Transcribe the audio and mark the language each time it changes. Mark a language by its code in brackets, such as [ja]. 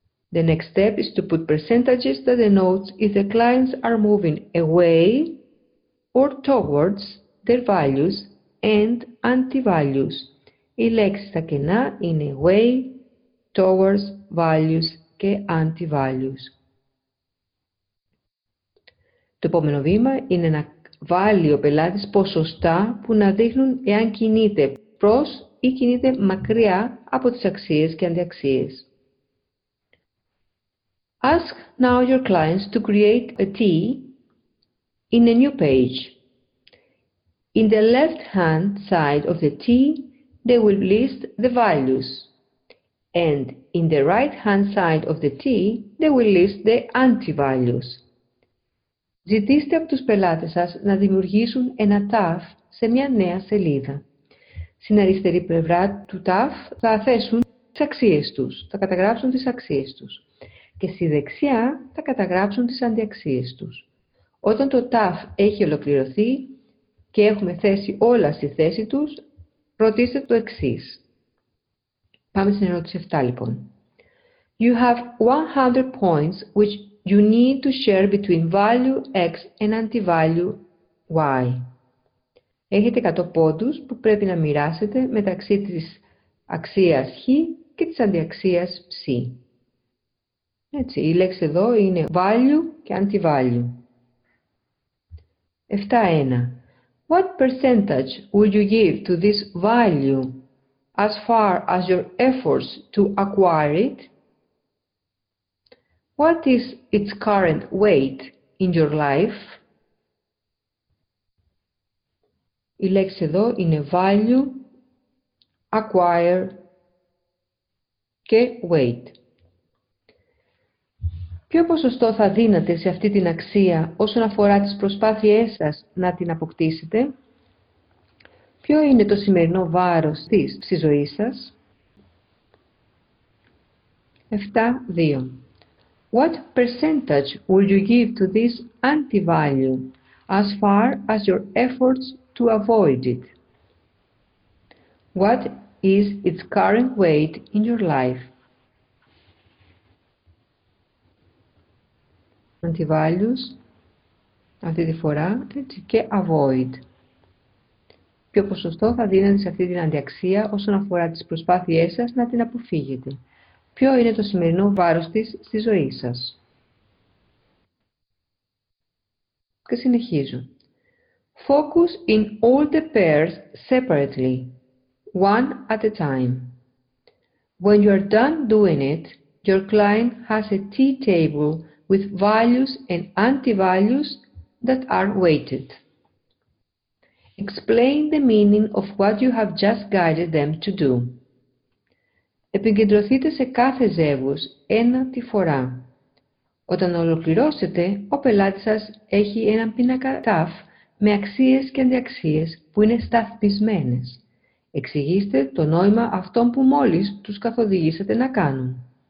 [en] The next step is to put percentages that denotes if the clients are moving away or towards their values and anti-values. [el] Οι λέξεις στα κενά είναι away, towards, values και anti-values. Το επόμενο βήμα είναι να βάλει ο πελάτης ποσοστά που να δείχνουν εάν κινείται προς ή κινείται μακριά από τις αξίες και αντιαξίες. [en] Ask now your clients to create a T in a new page. In the left-hand side of the T, they will list the values. And in the right-hand side of the T, they will list the anti-values. [el] Ζητήστε από τους πελάτες σας να δημιουργήσουν ένα TAF σε μια νέα σελίδα. Στην αριστερή πλευρά του TAF θα θέσουν τις αξίες τους, θα καταγράψουν τις αξίες τους. Και στη δεξιά θα καταγράψουν τις αντιαξίες τους. Όταν το TAF έχει ολοκληρωθεί και έχουμε θέσει όλα στη θέση τους, ρωτήστε το εξής. Πάμε στην ερώτηση 7 λοιπόν. [en] You have 100 points which you need to share between value X and anti-value Y. [el] Έχετε 100 πόντους που πρέπει να μοιράσετε μεταξύ της αξίας Χ και της αντιαξίας Ψ. Έτσι, η λέξη εδώ είναι value και anti-value. 7.1. [en] What percentage will you give to this value as far as your efforts to acquire it? What is its current weight in your life? [el] Η λέξη εδώ είναι value, acquire και weight. Ποιο ποσοστό θα δίνατε σε αυτή την αξία όσον αφορά τις προσπάθειές σας να την αποκτήσετε? Ποιο είναι το σημερινό βάρος της στη ζωή σας? 7.2. [en] What percentage would you give to this anti-value as far as your efforts to avoid it? What is its current weight in your life? Anti-values, [el] αυτή τη φορά, έτσι, και avoid. Ποιο ποσοστό θα δίνετε σε αυτή την αντιαξία όσον αφορά τις προσπάθειές σας να την αποφύγετε? Ποιο είναι το σημερινό βάρος της στη ζωή σας? Και συνεχίζω. [en] Focus in all the pairs separately, one at a time. When you are done doing it, your client has a tea table with values and anti-values that are weighted. Explain the meaning of what you have just guided them to do. [el] Επικεντρωθείτε σε κάθε ζεύγος ένα τη φορά. Όταν ολοκληρώσετε, ο πελάτης σας έχει έναν πίνακα TAF με αξίες και αντιαξίες που είναι σταθμισμένες. Εξηγήστε το νόημα αυτών που μόλις τους καθοδηγήσατε να κάνουν.